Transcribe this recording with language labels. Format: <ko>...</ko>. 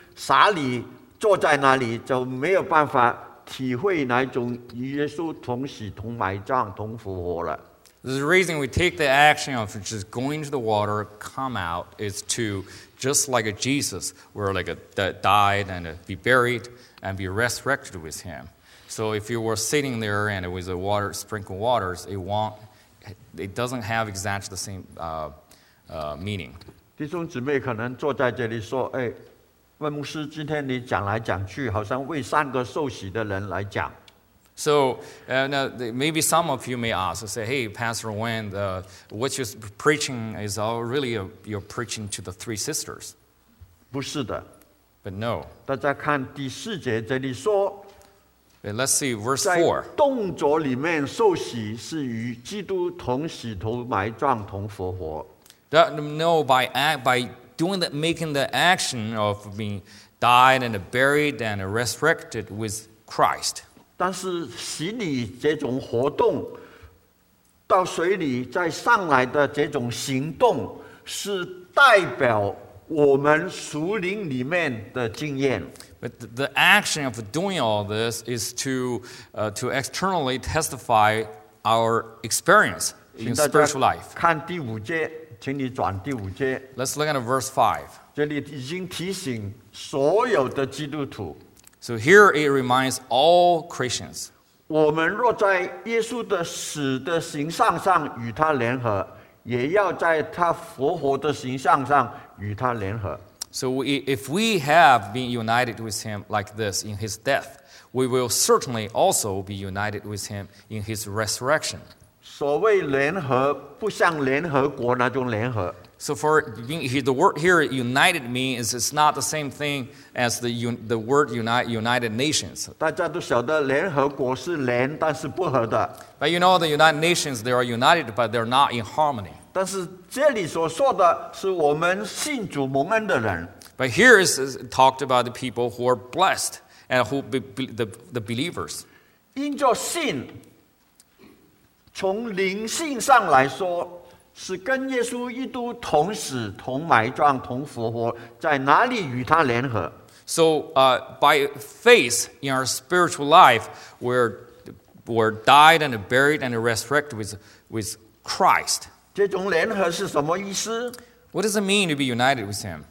<zh>洒礼坐在那里就没有办法体会那种与耶稣同死同埋葬同复活了。</zh> <en>The reason we take the action of just going to the water, come out, is to just like Jesus, where like died and be buried and be resurrected with him. So if you were sitting there and it was a water sprinkled waters, it won't. It doesn't have exactly the same meaning.</en> <zh>弟兄姊妹可能坐在这里说，哎，温牧师，今天你讲来讲去，好像为三个受洗的人来讲。</zh> <en>So, and maybe some of you may ask, say, hey, Pastor Wen, what you're preaching is all really you're preaching to the three sisters.</en> <zh>不是的。</zh> <en>But no.</en> <zh>大家看第四节这里说。</zh> <en>Let's see verse 4.</en> <zh>在动作里面受洗是与基督同死同埋葬同复活。</zh> <en>No, by making the action of being died and buried and resurrected with Christ.</en> <zh>但是洗礼这种活动，到水里再上来的这种行动，是代表我们属灵里面的经验。</zh> <en>But the action of doing all this is to externally testify our experience in spiritual life.</en> <zh>看第五节，请你转第五节。</zh> <en>Let's look at verse 5.</en> <zh>这里已经提醒所有的基督徒。</zh> <en>So here it reminds all Christians.</en> <zh>我们若在耶稣的死的形象上与他联合，也要在他复活的形象上与他联合。</zh> <en>So if we have been united with him like this in his death, we will certainly also be united with him in his resurrection.</en> <zh>所谓联合，不像联合国那种联合。</zh> <en>So for being, the word here, United, means it's not the same thing as the word United Nations.</en> <zh>大家都晓得联合国是联,</zh> <en>but you know the United Nations, they are united, but they're not in harmony. But here is talked about the people who are blessed and who the believers.</en> <zh>因着信, 从灵性上来说, 是跟耶稣一都同死同埋葬同复活，在哪里与他联合？</zh> <en>So, by faith in our spiritual life, we're died and buried and resurrected with Christ.</en> <zh>这种联合是什么意思？</zh> <en>What does it mean to be united with Him?</en>